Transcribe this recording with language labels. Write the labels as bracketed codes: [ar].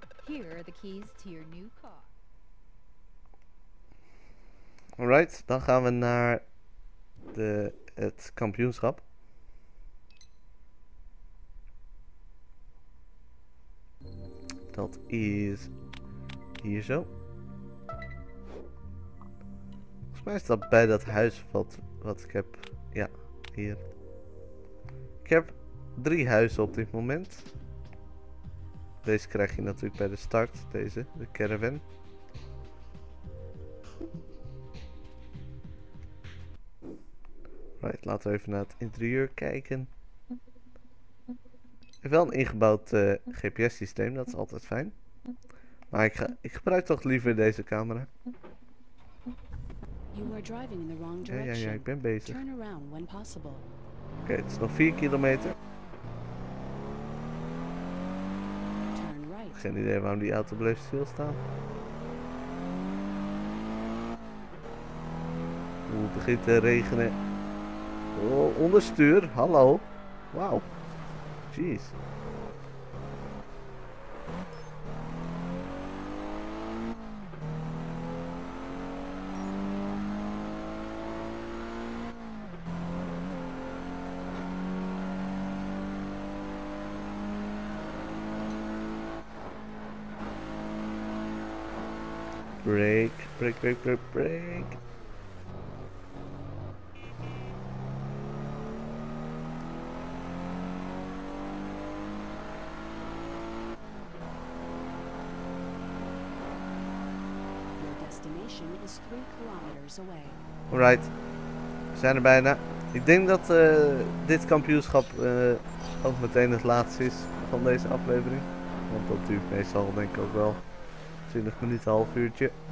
[en] Here are the keys to your new car. Alright, [nl] dan gaan we naar het kampioenschap. Dat is hier zo. Maar is dat bij dat huis wat ik heb? Ja, hier. Ik heb 3 huizen op dit moment. Deze krijg je natuurlijk bij de start. Deze, de caravan. [en] Right, [nl] laten we even naar het interieur kijken. Ik heb wel een ingebouwd GPS-systeem, dat is altijd fijn. Maar ik gebruik toch liever deze camera. [en] You are driving in the wrong direction. [nl] Ja, ik ben bezig. [en] Turn around when possible. [nl] Oké, het is nog 4 kilometer. [en] Turn right. [nl] Geen idee waarom die auto bleef stilstaan. Oeh, het begint te regenen. Oh, onderstuur, hallo. Wauw. Jeez. [en] Break, break, break, break, break. destination is 3 kilometers away. Alright. [nl] We zijn er bijna. Ik denk dat dit kampioenschap ook meteen het laatste is van deze aflevering. Want dat duurt meestal denk ik ook wel 20 minuten, half uurtje.